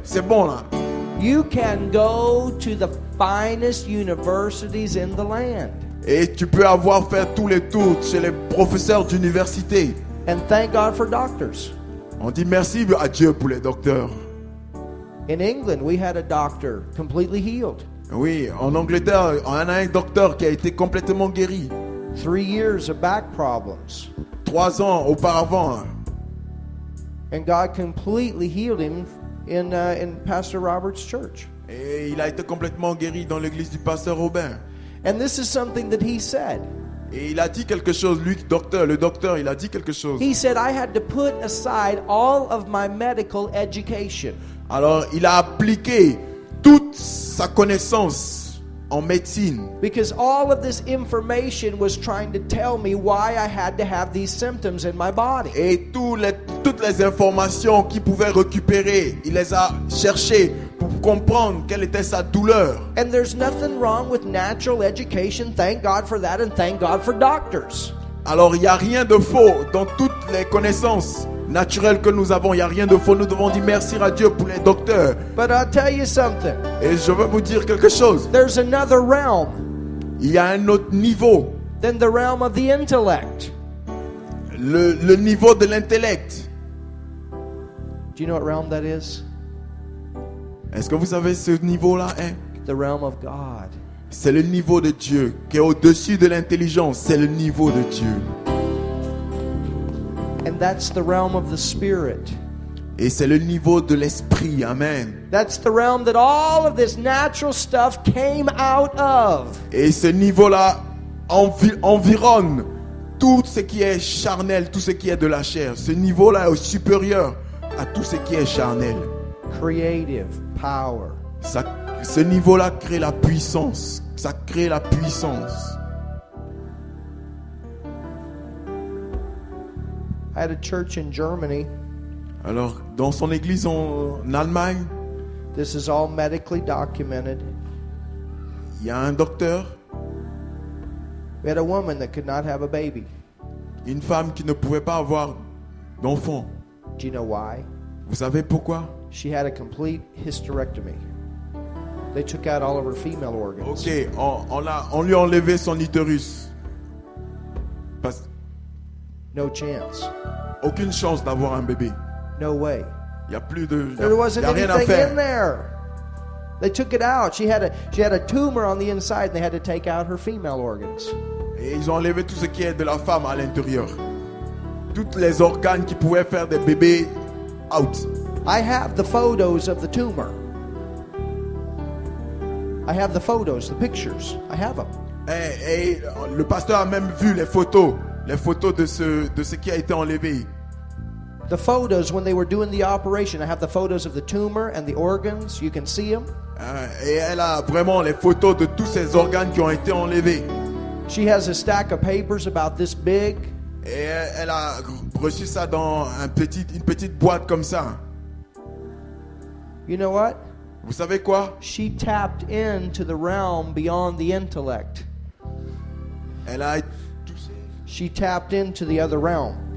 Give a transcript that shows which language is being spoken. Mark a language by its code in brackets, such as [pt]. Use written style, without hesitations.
[fr] C'est bon là. [en] You can go to the finest universities in the land. [fr] Et tu peux avoir fait tous les tours chez les professeurs d'université. [en] And thank God for doctors. [fr] On dit merci à Dieu pour les docteurs. [en] In England, we had a doctor completely healed. [fr] Oui, en Angleterre, on a un docteur qui a été complètement guéri. [en] 3 years of back problems. [fr] 3 ans auparavant. [en] And God completely healed him in Pastor Robert's church. [fr] Et il a été complètement guéri dans l'église du pasteur Robin. [en] And this is something that he said. [fr] Et il a dit quelque chose, lui, le docteur, il a dit quelque chose. [en] He said, I had to put aside all of my medical education. [fr] Alors il a appliqué toute sa connaissance. En médecine. [en] Because all of this information was trying to tell me why I had to have these symptoms in my body. [fr] Et toutes les informations qu'il pouvait récupérer, il les a cherchées pour comprendre quelle était sa douleur. [en] And there's nothing wrong with natural education. Thank God for that, and thank God for doctors. [fr] Alors il y a rien de faux dans toutes les connaissances naturelles que nous avons. Il y a rien de faux. Nous devons dire merci à Dieu pour les docteurs. [en] But I'll tell you something. [fr] Et je veux vous dire quelque chose. [en] There's another realm. [fr] Il y a un autre niveau. [en] Than the realm of the intellect. [fr] Le niveau de l'intellect. [en] Do you know what realm that is? [fr] Est-ce que vous savez ce niveau-là est? [en] The realm of God. [fr] C'est le niveau de Dieu qui est au-dessus de l'intelligence. C'est le niveau de Dieu. [en] And that's the realm of the Spirit. [fr] Et c'est le niveau de l'esprit. [en] Amen. That's the realm that all of this natural stuff came out of. [fr] Et ce niveau-là environne tout ce qui est charnel, tout ce qui est de la chair. Ce niveau-là est supérieur à tout ce qui est charnel. [en] Creative power. [fr] Ça, ce niveau-là crée la puissance. Ça crée la puissance. [en] I had a church in Germany. [fr] Alors, dans son église en Allemagne, [en] this is all medically documented. [fr] Il y a un docteur. [en] We had a woman that could not have a baby. [fr] Une femme qui ne pouvait pas avoir d'enfant. [en] Do you know why? [fr] Vous savez pourquoi? [en] She had a complete hysterectomy. They took out all of her female organs. [fr] Ok, on lui a enlevé son utérus. Parce... [en] No chance. [fr] Aucune chance d'avoir un bébé. [en] No way. [fr] Il y a plus de, [en] there [fr] y a, [en] wasn't [fr] y a rien [en] anything [fr] à faire. [en] In there. They took it out. She had a tumor on the inside, and they had to take out her female organs. [fr] Et ils ont enlevé tout ce qui est de la femme à l'intérieur. Toutes les organes qui pouvaient faire des bébés out. [en] I have the photos of the tumor. I have the photos, the pictures. I have them. [fr] Et le pasteur a même vu les photos de ce qui a été enlevé. [en] The photos when they were doing the operation, I have the photos of the tumor and the organs. You can see them. [fr] Et elle a vraiment les photos de tous ces organes qui ont été enlevés. [en] She has a stack of papers about this big. [fr] Et elle a reçu ça dans une petite boîte comme ça. [en] You know what? [fr] Vous savez quoi? [en] She tapped into the realm beyond the intellect. [fr] Elle a. [en] She tapped into the other realm.